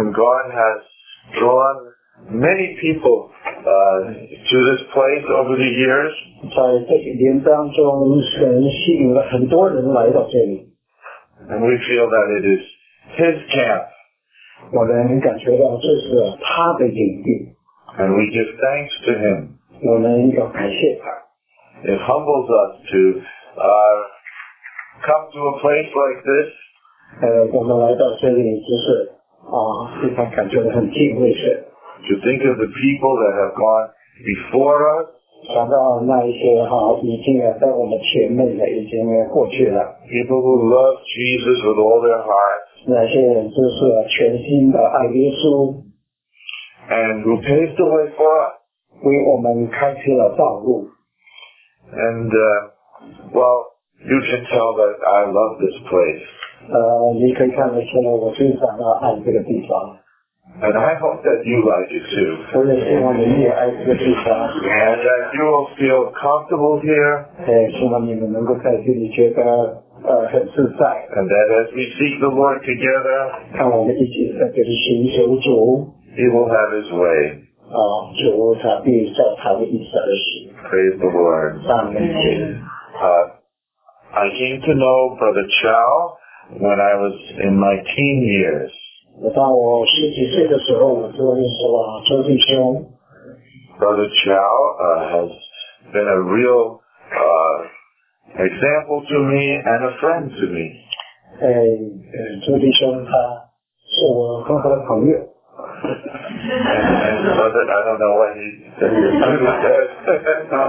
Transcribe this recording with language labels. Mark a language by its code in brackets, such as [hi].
[en] And God has drawn many people, to this place over the years. [zh] 在这几年当中，神吸引了很多人来到这里。 [en] And we feel that it is His camp. [zh] 我能感觉到这是他的领地。 [en] And we give thanks to Him. [zh] 我们要感谢他。 [en] It humbles us to come to a place like this, [zh] 我们来到这里就是啊，非常感觉很敬畏神。 [en] To think of the people that have gone before us, [zh] 想到那一些哈、啊，已经在我们前面的已经过去了。 [en] People who love Jesus with all their heart, [zh] 那些人就是全心的爱耶稣。 [en] And who paved the way for us, [zh] 为我们开辟了道路。 [en] And well, you can tell that I love this place. [zh] 你可以看得出来我非常的爱这个地方。 [en] And I hope that you like it too. [zh] 我也希望你也爱这个地方。 [en] And that you will feel comfortable here. [zh] 希望你们能够在这里觉得很自在。 [en] And that as we seek the Lord together, [zh] 看我们一起在这里寻求主。 [en] He will have his way. [zh] 主他必照他的意思而行。 [en] Praise the Lord. [zh] 赞美主。 [en] I came to know Brother Chow. When I was in my teen years. [zh] 当我十几岁的时候，我就认识了周弟兄。 [en] Brother Chow has been a real example to me and a friend to me. [zh] 周弟兄他是我很好的朋友。 [en] And brother, I don't know what he said.